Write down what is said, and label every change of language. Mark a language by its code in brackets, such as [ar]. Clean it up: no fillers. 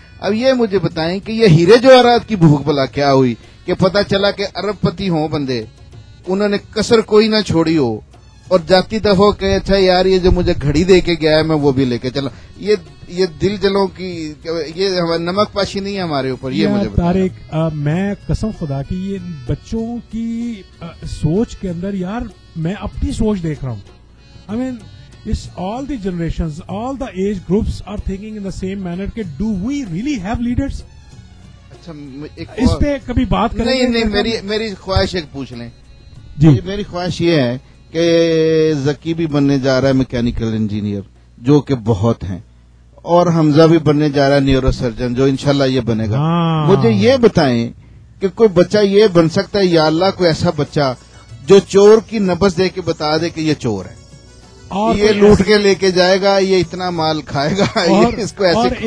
[ur] اب یہ مجھے بتائیں کہ یہ ہیرے جواہرات کی بھوک بلا کیا ہوئی کہ پتا چلا کہ ارب پتی ہوں بندے، انہوں نے کسر کوئی نہ چھوڑی ہو، اور جاتی دفعہ کہ اچھا یار یہ جو مجھے گھڑی دے کے گیا ہے میں وہ بھی لے کے چلا. یہ دل جلوں کی یہ نمک پاشی نہیں ہے ہمارے اوپر؟ یہ مجھے طارق میں قسم خدا کی یہ بچوں کی سوچ کے اندر، یار میں اپنی سوچ دیکھ رہا ہوں. [en] I mean It's all the generations, all the age groups are thinking in the same manner کہ do we really have leaders? [ur] اچھا اس پہ کبھی بات کریں؟ نہیں نہیں، میری خواہش ایک پوچھ لیں. جی میری خواہش یہ ہے کہ ذکی بھی بننے جا رہا ہے میکینیکل انجینئر جو کہ بہت ہیں، اور حمزہ بھی بننے جا رہا ہے نیورو سرجن جو انشاءاللہ یہ بنے گا. مجھے یہ بتائیں کہ کوئی بچہ یہ بن سکتا ہے یا اللہ، کوئی ایسا بچہ جو چور کی نبض دے کے بتا دے کہ یہ چور ہے، یہ لوٹ کے لے کے جائے گا، یہ اتنا مال کھائے گا، اس کو ایسے